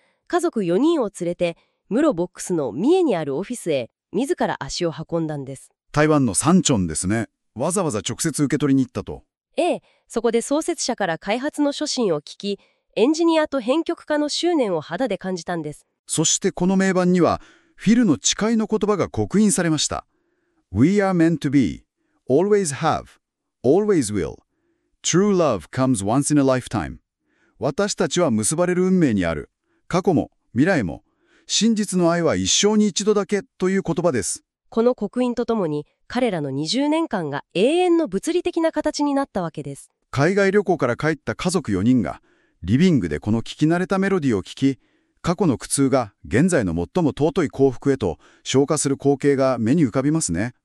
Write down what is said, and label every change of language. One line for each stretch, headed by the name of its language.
Japanese: 家族4人を連れて室ボックスの三重にあるオフィスへ自ら足を運んだんです。台湾の三重ですね。わざわざ直接受け取りに行ったと。ええ、そこで創設者から開発の初心を聞き、エンジニアと編曲家の執念を肌で感じたんです。そしてこの名盤にはフィルの誓いの言葉が刻印されました。
English: We are meant to be, always have, always will. True love comes once in a lifetime.
Japanese: 私たちは結ばれる運命にある。過去も未来も真実の愛は一生に一度だけという言葉です。この刻印とともに彼らの20年間が永遠の物理的な形になったわけです。海外旅行から帰った家族4人がリビングでこの聞き慣れたメロディーを聞き、過去の苦痛が現在の最も尊い幸福へと昇華する光景が目に浮かびますね。